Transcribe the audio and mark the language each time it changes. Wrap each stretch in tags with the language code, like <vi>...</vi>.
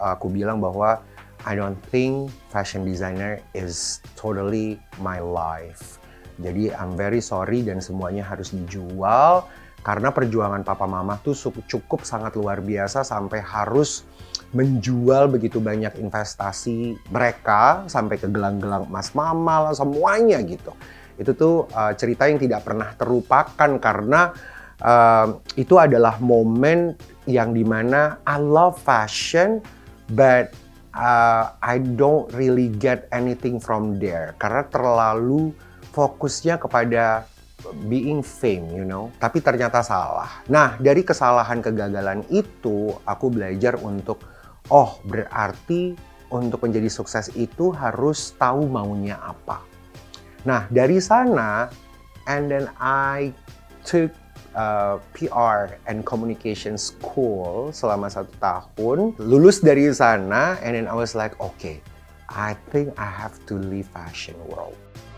<id>Aku bilang bahwa</id> <en>I don't think fashion designer is totally my life.</en> <id>Jadi</id> <en>I'm very sorry</en> <id>dan semuanya harus dijual. Karena perjuangan papa mama tuh cukup sangat luar biasa sampai harus menjual begitu banyak investasi mereka sampai ke gelang-gelang emas mama lah semuanya gitu. Itu tuh cerita yang tidak pernah terlupakan karena itu adalah momen yang dimana</id> <en>I love fashion but I don't really get anything from there.</en> <id>Karena terlalu fokusnya kepada</id> <en>being fame, you know,</en> <id>tapi ternyata salah. Nah, dari kesalahan kegagalan itu, aku belajar untuk, oh, berarti untuk menjadi sukses itu harus tahu maunya apa. Nah, dari sana,</id> <en>and then I took PR and communication school</en> <id>selama 1 tahun. Lulus dari sana,</id> <en>and then I was like, okay, I think I have to leave fashion world.</en>